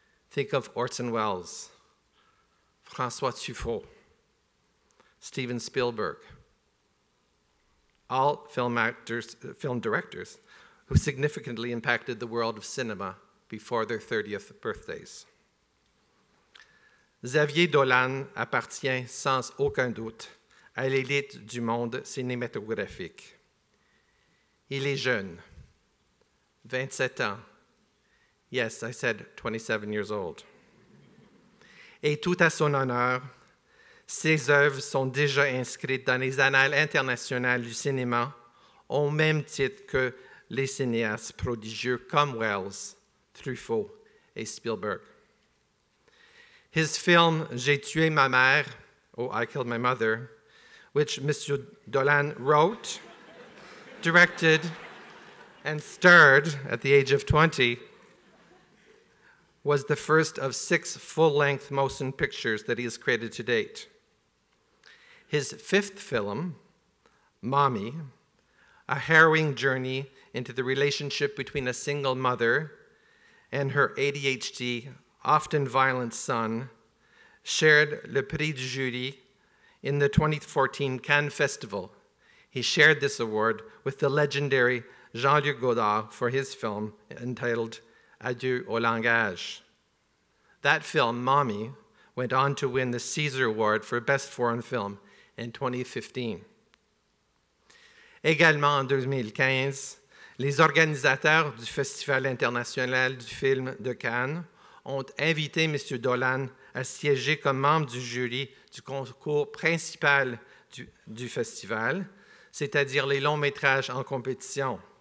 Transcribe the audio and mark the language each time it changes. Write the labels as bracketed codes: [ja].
[en] Think of Orson Welles, François Truffaut, Steven Spielberg, all film directors who significantly impacted the world of cinema before their 30th birthdays. [fr] Xavier Dolan appartient sans aucun doute à l'élite du monde cinématographique. Il est jeune, 27 ans. [en] Yes, I said 27 years old. [fr] Et tout à son honneur, ses œuvres sont déjà inscrites dans les annales internationales du cinéma au même titre que les cinéastes prodigieux comme Welles, Truffaut et Spielberg. [en] His film, J'ai tué ma mère, Oh, I Killed My Mother, which Monsieur Dolan wrote, directed, and starred at the age of 20, was the first of six full-length motion pictures that he has created to date. His fifth film, Mommy, a harrowing journey into the relationship between a single mother and her ADHD, often violent son, shared Le Prix du Jury in the 2014 Cannes Festival. He shared this award with the legendary Jean-Luc Godard for his film entitled Adieu au Langage. That film, Mommy, went on to win the César Award for Best Foreign Film in 2015. [fr] Également en 2015, les organisateurs du Festival international du film de Cannes ont invité M. Dolan à siéger comme membre du jury du concours principal du festival, c'est-à-dire les longs métrages en compétition.